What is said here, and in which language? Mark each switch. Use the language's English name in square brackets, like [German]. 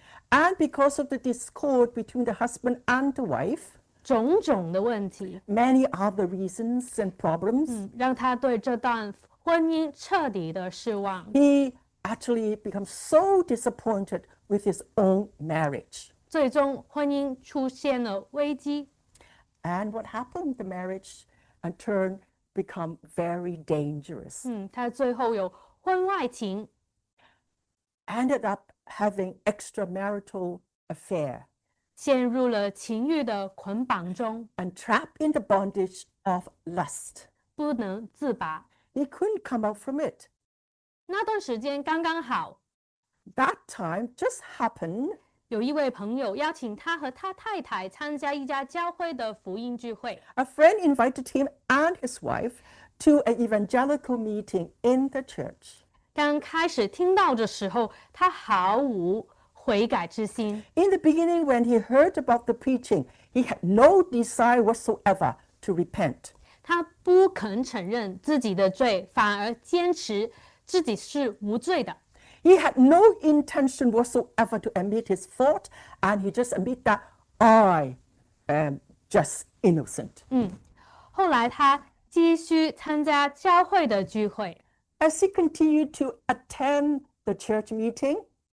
[English] And because of the discord between the husband and the wife, [Chinese] 种种的问题。 [English] Many other reasons and problems. [Chinese] 让他对这段婚姻彻底的失望。 [English] He actually becomes so disappointed with his own marriage. [Chinese] 最终婚姻出现了危机。 [English] And what happened? The marriage and turn become very dangerous. [Chinese] 他最后有婚外情。 [English] Ended up having extramarital affair. [Chinese] 陷入了情欲的捆绑中。 [English] And trapped in the bondage of lust. [Chinese] 不能自拔。 [English] He couldn't come out from it. [Chinese] 那段时间刚刚好。 [English] That time just happened. [Chinese] 有一位朋友邀请他和他太太参加一家教会的福音聚会。 [English] A friend invited him and his wife to an evangelical meeting in the church. [Chinese] 刚开始听到的时候，他毫无悔改之心。 [English] In the beginning, when he heard about the preaching, he had no desire whatsoever to repent. [Chinese] 他不肯承认自己的罪，反而坚持自己是无罪的。 [English] He had no intention whatsoever to admit his fault, and he just admit that I am just innocent. [Chinese] 后来他继续参加教会的聚会， [English] As he continued to attend the church meeting,